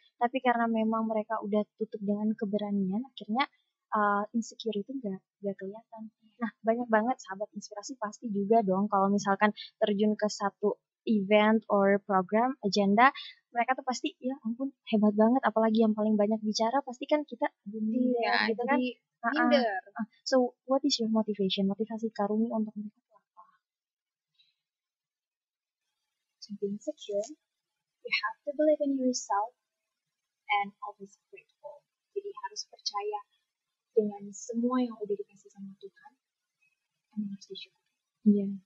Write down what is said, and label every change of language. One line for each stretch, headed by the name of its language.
Indonesian: Tapi karena memang mereka udah tutup dengan keberanian, akhirnya insecure itu gak kelihatan. Nah, banyak banget sahabat inspirasi pasti juga dong, kalau misalkan terjun ke satu event or program, agenda, mereka tuh pasti, ya ampun, hebat banget. Apalagi yang paling banyak bicara, pasti kan kita minder, gitu kan.
English: So, what is your motivation?
Indonesian: Motivasi Kak Rumi untuk mereka itu apa?
English: To be insecure, you have to believe in yourself and always grateful.
Indonesian: Jadi harus percaya dengan semua yang udah dikasih sama Tuhan, and harus disyukuri.